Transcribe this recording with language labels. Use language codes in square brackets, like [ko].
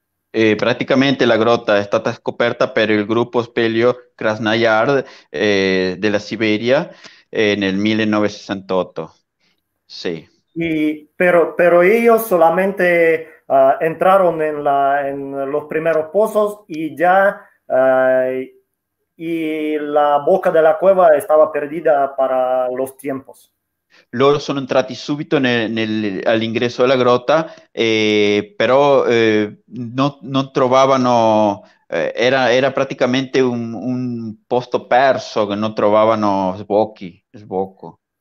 [es] Prácticamente [it] la grotta è stata scoperta per il gruppo Spelio Krasnoyarsk della Siberia nel 1968. Sì. [es] Pero ellos solamente entraron en los primeros pozos y ya y la boca de la cueva estaba perdida para los tiempos. [it] Loro sono entrati subito all'ingresso della grotta, però non trovavano, era praticamente un posto perso, che non trovavano sbocco.